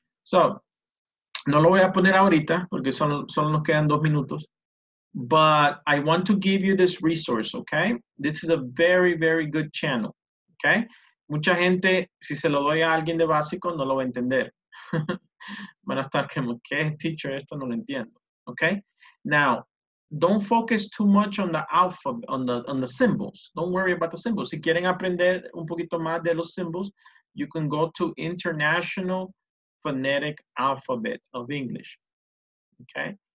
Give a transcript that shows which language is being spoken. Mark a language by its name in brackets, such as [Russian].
[Spanish] So, no lo voy a poner ahorita porque solo nos quedan dos minutos. [English] But I want to give you this resource, okay? This is a very, very good channel, okay? [Spanish] Mucha gente, si se lo doy a alguien de básico, no lo va a entender. Van a estar como, ¿qué es teacher? Esto no lo entiendo, okay? [English] Now, don't focus too much on the alphabet, on the symbols. Don't worry about the symbols. [Spanish] Si quieren aprender un poquito más de los [English] symbols, you can go to International Phonetic Alphabet of English, okay?